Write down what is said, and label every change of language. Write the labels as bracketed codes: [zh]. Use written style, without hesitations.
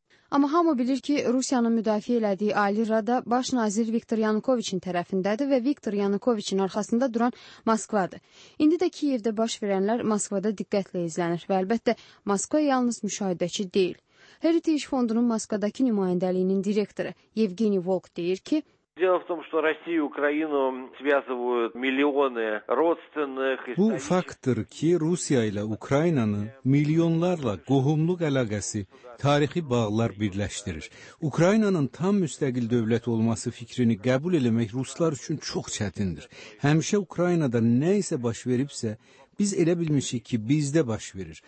[az] Amma hamı bilir ki, Rusiyanın müdafiə elədiyi Ali Rada baş nazir Viktor Yanukoviçin tərəfindədir və Viktor Yanukoviçin arxasında duran Moskvadır. İndi də Kiyevdə baş verənlər Moskvada diqqətlə izlənir və əlbəttə Moskva yalnız müşahidəçi deyil. Heritage Fondunun Moskvadakı nümayəndəliyinin direktoru Yevgeni Volk deyir ki, [ru] Дело в том, что Россию и Украину связывают миллионы родственных [az] Bu faktdır ki, Rusiya ilə Ukraynanı milyonlarla qohumluq əlaqəsi, tarixi bağlar birləşdirir. Ukraynanın tam müstəqil dövlət olması fikrini qəbul eləmək ruslar üçün çox çətindir. Həmişə Ukraynada nə isə baş veribsə, biz elə bilmişik ki, bizdə baş verir.